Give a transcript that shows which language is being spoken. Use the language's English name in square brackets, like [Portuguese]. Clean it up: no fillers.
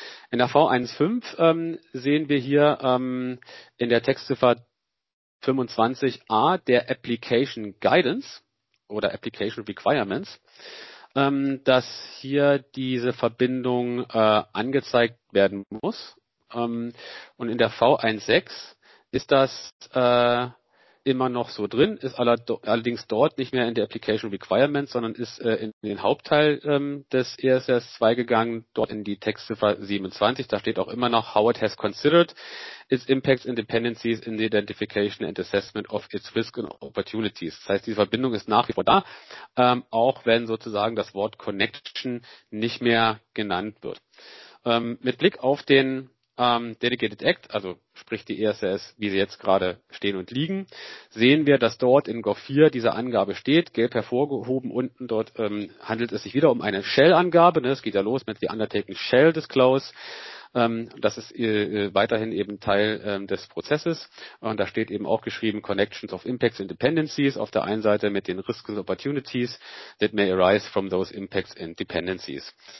[German] In der V1.5 sehen wir hier in der Textziffer 25a der Application Guidance oder Application Requirements, dass hier diese Verbindung angezeigt werden muss. Und in der V1.6 ist das immer noch so drin, ist allerdings dort nicht mehr in der Application Requirements, sondern ist in den Hauptteil des ESS 2 gegangen, dort in die Textziffer 27. Da steht auch immer noch, [English] how it has considered its impacts and dependencies in the identification and assessment of its risks and opportunities. [German] Das heißt, diese Verbindung ist nach wie vor da, auch wenn sozusagen das Wort Connection nicht mehr genannt wird. Mit Blick auf den Dedicated Act, also sprich die ESS, wie sie jetzt gerade stehen und liegen, sehen wir, dass dort in Gore 4 diese Angabe steht, gelb hervorgehoben unten, dort handelt es sich wieder um eine Shell-Angabe, ne? Es geht ja los mit die [English] Undertaking Shell Disclose, [German] das ist weiterhin eben Teil des Prozesses und da steht eben auch geschrieben, [English] Connections of Impacts and Dependencies, [German] auf der einen Seite mit den [English] Risks and Opportunities that may arise from those Impacts and Dependencies.